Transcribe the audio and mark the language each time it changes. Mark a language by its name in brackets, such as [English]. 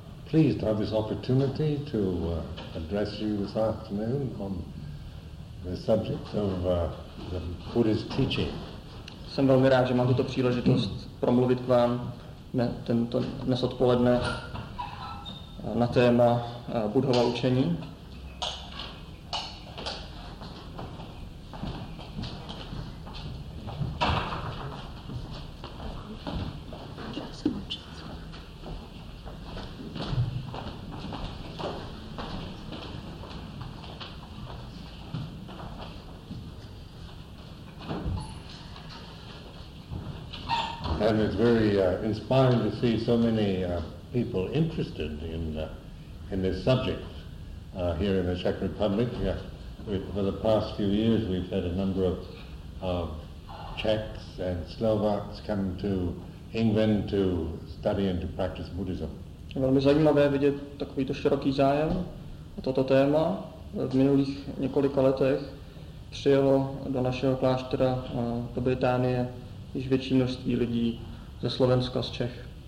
[English] Pleased to have this opportunity to address you this afternoon on the subject of the Buddha's teaching. [Czech] Jsem velmi rád, že mám tuto příležitost promluvit k vám dnes odpoledne na téma Buddhova učení. [English] And it's very inspiring to see so many people interested in this subject here in the Czech Republic. For the past few years, we've had a number of Czechs and Slovaks come to England to study and to practice Buddhism. [Czech] Velmi zajímavé vidět takovýto široký zájem o toto téma. V minulých několika letech přijelo do našeho kláštera do Británie již větší množství lidí ze Slovenska, z Čech.